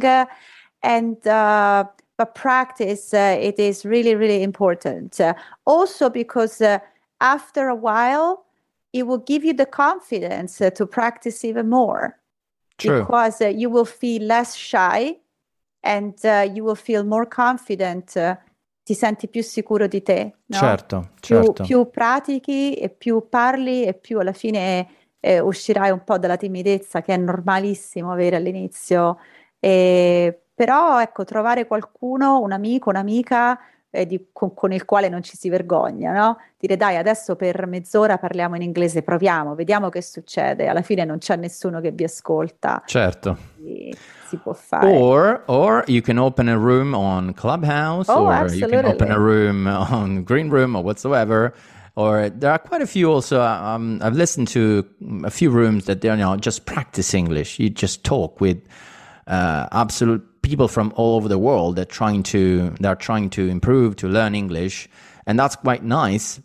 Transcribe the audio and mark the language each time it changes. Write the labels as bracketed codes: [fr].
[en] But practice, it is really, really important. Also, because after a while, it will give you the confidence to practice even more. True. Because you will feel less shy and you will feel more confident. [it] Ti senti più sicuro di te, no? Certo, più pratichi e più parli e più alla fine uscirai un po' dalla timidezza, che è normalissimo avere all'inizio. Però ecco, trovare qualcuno, un amico, un'amica con il quale non ci si vergogna, no? Dire dai, adesso per mezz'ora parliamo in inglese, proviamo, vediamo che succede. Alla fine non c'è nessuno che vi ascolta. Certo. Si può fare. [en] Or you can open a room on Clubhouse, oh, or absolutely. You can open a room on Green Room or whatsoever. Or there are quite a few also. I've listened to a few rooms that they're, you know, just practice English. You just talk with absolute people from all over the world that are trying to improve to learn English, and that's quite nice.